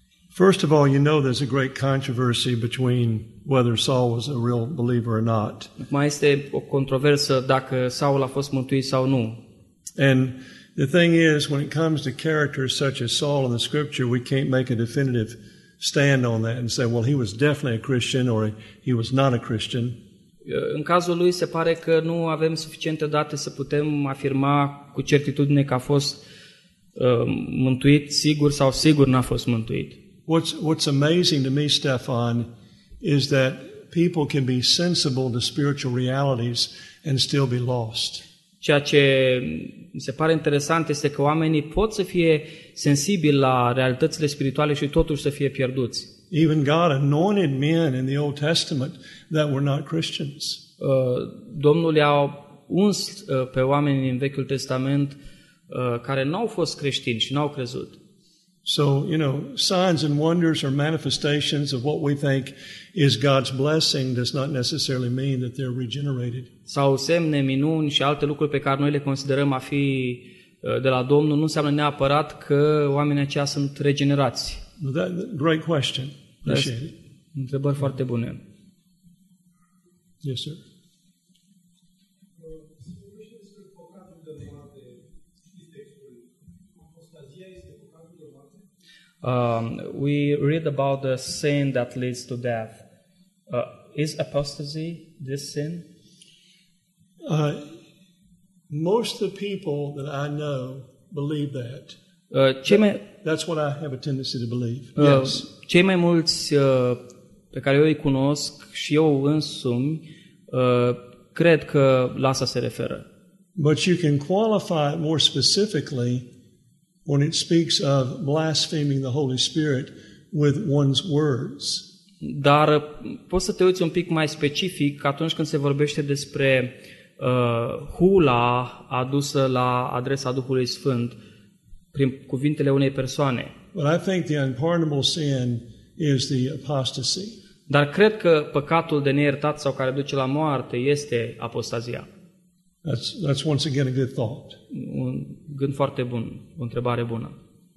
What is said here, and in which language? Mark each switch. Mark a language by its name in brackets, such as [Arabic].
[English] First of all, you know there's a great controversy between whether Saul was a real believer or not. [Romanian] Mai este o controversă dacă Saul a fost mântuit sau nu. [English] And the thing is, when it comes to characters such as Saul in the Scripture, we can't make a definitive stand on that and say, well, he was definitely a Christian or he was not a Christian. [Romanian] În cazul lui se pare că nu avem suficiente date să putem afirma cu certitudine că a fost mântuit sigur sau sigur n-a fost mântuit. [English] What's amazing to me, Stefan, is that people can be sensible to spiritual realities and still be lost. [Romanian] Ceea ce mi se pare interesant este că oamenii pot să fie sensibili la realitățile spirituale și totuși să fie pierduți. [English] Even God anointed men in the Old Testament that were not Christians. [Romanian] Domnul i-a uns pe oamenii în Vechiul Testament care n-au fost creștini și n-au crezut. [English] So, you know, signs and wonders are manifestations of what we think is God's blessing does not necessarily mean that they're regenerated. [Romanian] Sau semne, minuni și alte lucruri pe care noi le considerăm a fi de la Domnul nu înseamnă neapărat că oamenii aceia sunt regenerați. [English] That, great question. Appreciate it. [Romanian] Întrebări foarte bune. [English] Yes, sir. We read about the sin that leads to death. Is apostasy this sin? Most of the people that I know believe that. That's what I have a tendency to believe. Yes. [Romanian] Cei mai mulți pe care eu îi cunosc și eu însumi cred că la asta se referă. [English] But you can qualify it more specifically when it speaks of blaspheming the Holy Spirit with one's words. [Romanian] Dar poți să te uiți un pic mai specific atunci când se vorbește despre hula adusă la adresa Duhului Sfânt prin cuvintele unei persoane. [English] But I think the unpardonable sin is the apostasy. [Romanian] Dar cred că păcatul de neiertat sau care duce la moarte este apostazia. [English] That's once again a good thought. [Romanian] Un gând foarte bun, o întrebare bună.